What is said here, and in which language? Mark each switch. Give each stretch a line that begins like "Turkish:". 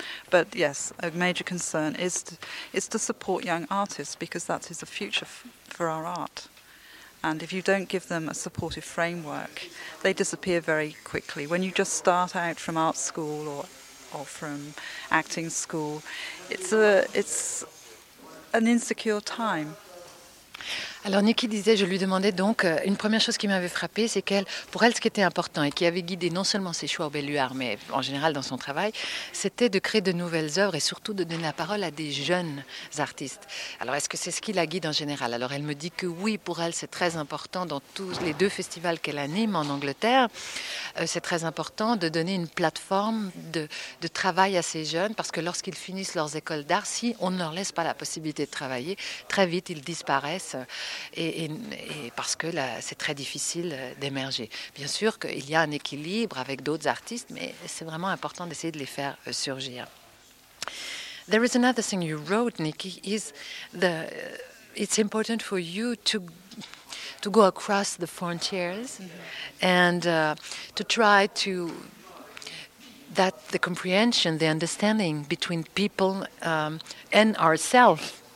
English: But yes, a major concern is to support young artists because that is the future for our art. And if you don't give them a supportive framework, they disappear very quickly. When you just start out from art school or from acting school, it's an insecure time.
French: Alors Nikki disait, je lui demandais donc, une première chose qui m'avait frappée, c'est qu'elle, pour elle, ce qui était important et qui avait guidé non seulement ses choix au Belluard, mais en général dans son travail, c'était de créer de nouvelles œuvres et surtout de donner la parole à des jeunes artistes. Alors est-ce que c'est ce qui la guide en général? Alors elle me dit que oui, pour elle, c'est très important dans tous les deux festivals qu'elle anime en Angleterre, c'est très important de donner une plateforme de travail à ces jeunes, parce que lorsqu'ils finissent leurs écoles d'art, si on ne leur laisse pas la possibilité de travailler, très vite, ils disparaissent. Et parce que là, c'est très difficile d'émerger. Bien sûr qu'il y a un équilibre avec d'autres artistes, mais c'est vraiment important d'essayer de les faire surgir.
English: There is another thing you wrote, Nikki, is the it's important for you to go across the frontiers and to try to that the comprehension, the understanding between people and ourselves.